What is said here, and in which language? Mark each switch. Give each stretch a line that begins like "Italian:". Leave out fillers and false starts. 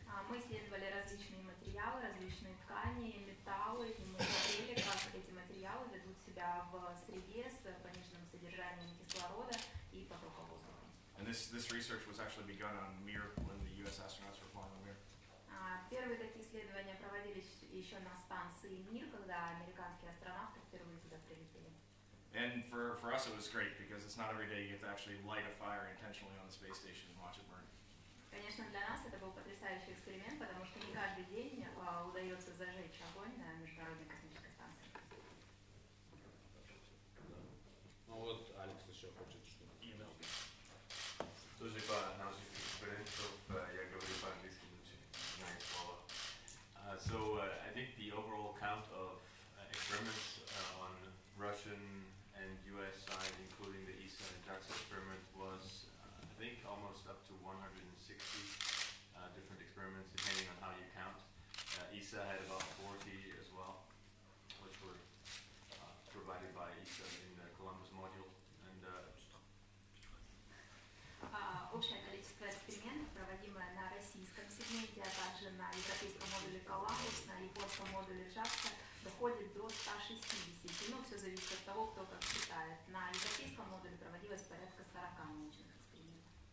Russian: Мы исследовали различные материалы, различные ткани, металлы, и мы смотрели, как эти материалы ведут себя в среде с пониженным содержанием кислорода и потока воздуха.
English: And this research was actually begun on Mir when the U.S. astronauts were flying on Mir.
Russian: Первые такие исследования проводились еще на станции Мир, когда американские астронавты впервые туда прилетели.
English: And for us it was great because it's not every day you get to actually light a fire intentionally on the space station and watch it burn.
Russian: Конечно, для нас это был потрясающий эксперимент, потому что не каждый день удается зажечь огонь на международной космической станции. Ну вот, Алекс еще хочет что-то. Email. Тоже по нашим экспериментам, я говорю по-английски, очень знаю слово.
English: So, I think the overall count of experiments on Russian and US side, including the ESA and JAXA experiment, was, I think, almost up to 160 different experiments, depending on how you count. ESA had about 40 as well, which were provided by ESA in the Columbus module. And
Russian: общее количество экспериментов, проводимое на российском сегменте, а также на европейском модуле Коламбус, на японском модуле JAXA, доходит до 160. Но все зависит от того, кто как считает. На европейском модуле проводилось порядка 40 научных экспериментов.